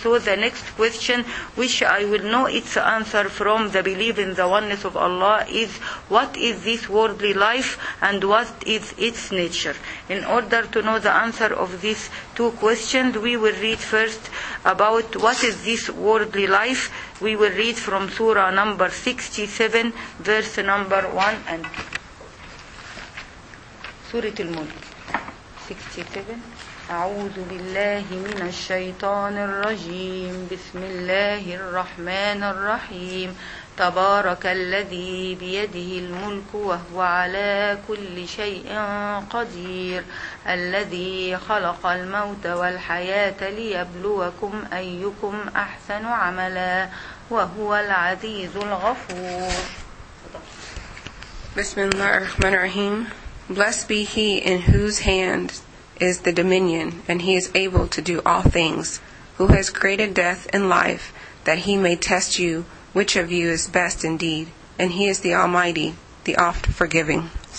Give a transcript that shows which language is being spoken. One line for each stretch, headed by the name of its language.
English: So the next question, which I will know its answer from the belief in the oneness of Allah, is what is this worldly life and what is its nature? In order to know the answer of these two questions, we will read first about what is this worldly life. We will read from Surah number 67, verse number 1 and 2. Surah Al-Mulk, 67.
Arabic: أعوذ بالله من الشيطان الرجيم بسم الله الرحمن الرحيم تبارك الذي بيده الملك وهو على كل شيء قدير الذي خلق الموت والحياة ليبلوكم أيكم أحسن عملا وهو العزيز الغفور. بسم الله الرحمن الرحيم.
English: Blessed be he in whose hand is the dominion, and he is able to do all things, who has created death and life, that he may test you which of you is best indeed, and he is the Almighty, the Oft-Forgiving.